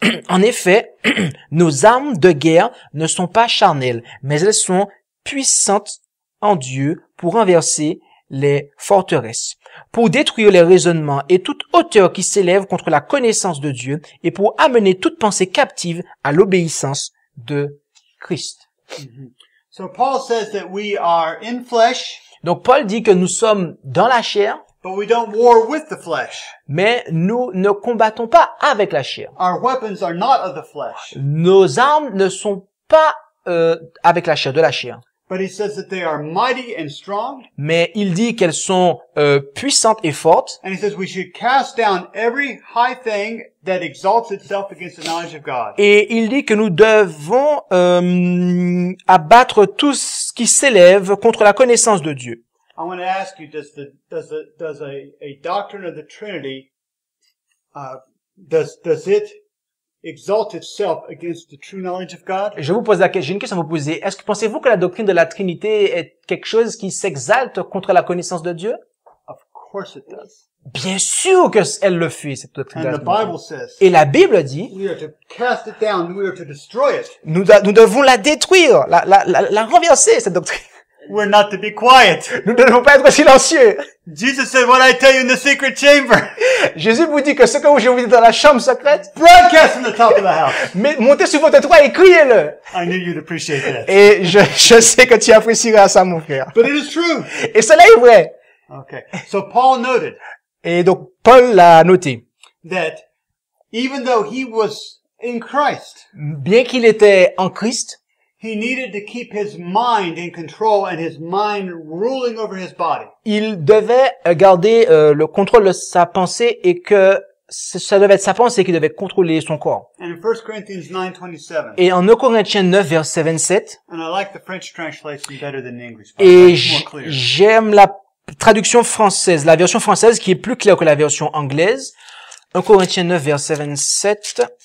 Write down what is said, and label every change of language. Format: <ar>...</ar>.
<fr>En effet, nos armes de guerre ne sont pas charnelles, mais elles sont puissantes en Dieu pour renverser les forteresses, pour détruire les raisonnements et toute hauteur qui s'élève contre la connaissance de Dieu et pour amener toute pensée captive à l'obéissance de Christ. Mm-hmm.</fr> <en>So Paul says that we are in flesh.</en> <fr>Donc Paul dit que nous sommes dans la chair,</fr> <en>but we don't war with the flesh.</en> <fr>Mais nous ne combattons pas avec la chair.</fr> <en>Our weapons are not of the flesh.</en> <fr>Nos armes ne sont pas avec la chair, de la chair.</fr> <en>But he says that they are mighty and strong.</en> <fr>Mais il dit qu'elles sont puissantes et fortes.</fr> <en>And he says we should cast down every high thing that exalts itself against the knowledge of God.</en> <fr>Et il dit que nous devons abattre tout ce qui s'élève contre la connaissance de Dieu.</fr> <en>I want to ask you, does a doctrine of the Trinity does it exalt itself against the true knowledge of God?</en> <fr>Je vous pose la question, j'ai une question à vous poser. Est-ce que pensez-vous que la doctrine de la Trinité est quelque chose qui s'exalte contre la connaissance de Dieu?</fr> <en>Of course it does.</en> <fr>Bien sûr que elle le fait, cette doctrine.</fr> <en>And the Bible says,</en> <fr>et la Bible dit,</fr> <en>we are to cast it down, we are to destroy it.</en> <fr>Nous devons la détruire, la renverser, cette doctrine.</fr> <en>We're not to be quiet.</en> <fr>Nous ne devons pas être silencieux.</fr> <en>Jesus said what I tell you in the secret chamber.</en> <fr>Jésus vous dit que ce que je vous dis dans la chambre secrète.</fr> <en>Broadcast in the top of the house.</en> <fr>Mais montez sur votre toit et criez-le.</fr> <en>I knew you'd appreciate that.</en> <fr>Et je sais que tu apprécieras ça, mon frère.</fr> <en>But it is true.</en> <fr>Et cela est vrai.</fr> <en>Okay. So Paul noted.</en> <fr>Et donc Paul l'a noté.</fr> <en>That even though he was in Christ.</en> <fr>Bien qu'il était en Christ.</fr> <en>He needed to keep his mind in control and his mind ruling over his body.</en> <fr>Il devait garder le contrôle de sa pensée et que ça devait être sa pensée qui devait contrôler son corps.</fr> <en>And in 1 Corinthians 9:27.</en> <fr>Et en 2 Corinthiens 9 verset 27.</fr> <en>And I like the French translation better than the English.</en> <fr>Et j'aime la traduction française, la version française qui est plus claire que la version anglaise. 2 Corinthiens 9 verset 27.</fr>